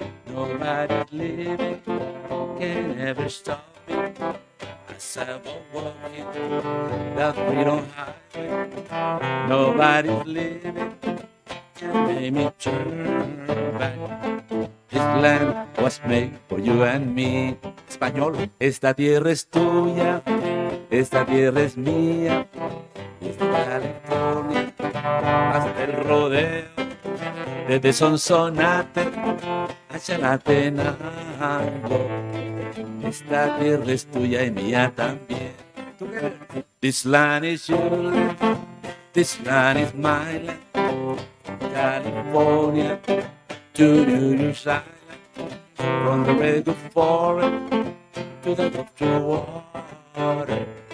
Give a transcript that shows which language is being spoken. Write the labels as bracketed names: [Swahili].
[English] Nobody living can ever stop me. As I was walking the freedom highway, nobody's living can make me turn back. This land was made for you and me. [Spanish] Español. Esta tierra es tuya, esta tierra es mía, desde California hasta el rodeo, desde Sonsonate hacia la Tenango. Esta tierra es tuya y mía también. [English] This land is your land, this land is my land, California to New York Island, from the Redwood Forest to the Gulf water.